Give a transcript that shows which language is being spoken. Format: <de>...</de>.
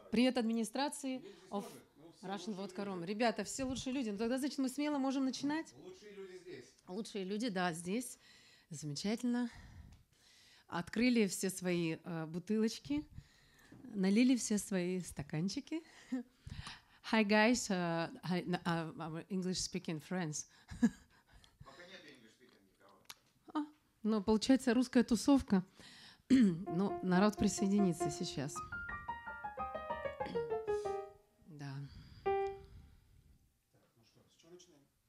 <ru>привет, администрации. Russian Vodka Room. Ребята, все лучшие люди. Ну тогда, значит, мы смело можем начинать. Лучшие люди здесь. Лучшие люди, да, здесь. Замечательно. Открыли все свои бутылочки, налили все свои стаканчики.</ru> <en>Hi guys, our English speaking friends.</en> <ru>Пока нет</ru> <en>English speaking</en> <ru>никого. Но получается русская тусовка. Ну, народ присоединится сейчас. Да. Так, ну что, с чего начинаем?</ru>